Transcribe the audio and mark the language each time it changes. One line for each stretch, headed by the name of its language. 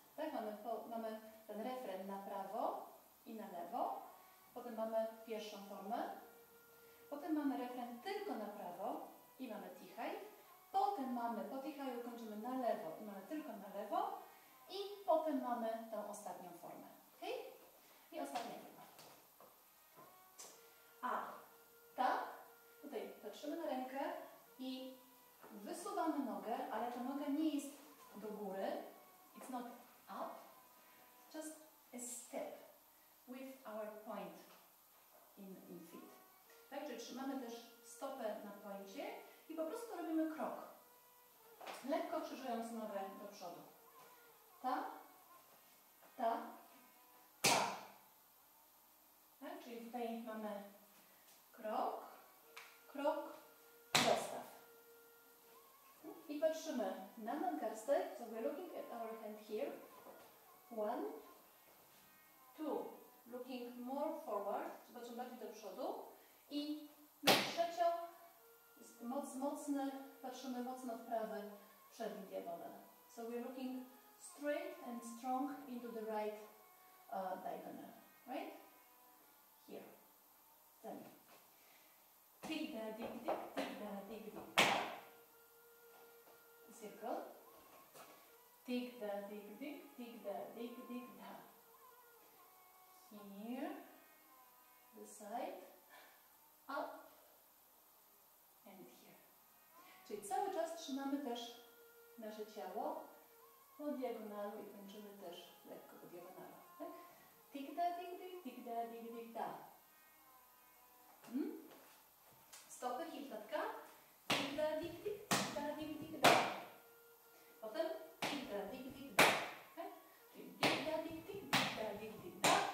Polish: Tak, mamy ten refren na prawo i na lewo, potem mamy pierwszą formę, potem mamy refren tylko na prawo i mamy tichaj, potem mamy po tichaju kończymy na lewo i mamy tylko na lewo, i potem mamy tą ostatnią formę, ok? I ostatnia forma. A ta, tutaj patrzymy na rękę i wysuwamy nogę, ale ta noga nie jest do góry.
English: It's not up, it's just a step with our point in feet.
Polish: Tak, czyli trzymamy też stopę na pointzie i po prostu robimy krok, lekko krzyżując nogę do przodu. Ta, ta, ta. Tak? Czyli tutaj mamy krok, krok, zestaw. I patrzymy na nadgarstek.
English: So we're looking at our hand here. One, two. Looking more forward.
Polish: Zobaczymy bardziej do przodu. I na trzecią mocne, patrzymy mocno w prawy przedni diagonal.
English: So we're looking straight and strong into the right diagonal, right? Here. Then. Dig da, dig, dig, dig da, dig, dig. Circle. Dig da, dig, dig, dig da, dig, dig da. Here. The side. Up. And here.
Polish: Czyli cały czas trzymamy też nasze ciało po diagonalu i kończymy też lekko po diagonalu, tak? Tik da, tik dik, tik da, tik dik da. Stopy, hipnotka. Tik da, tik dik, tik da, tik dik da. Potem tik da, tik dik da. Tik da, tik dik, tik da, tik dik da.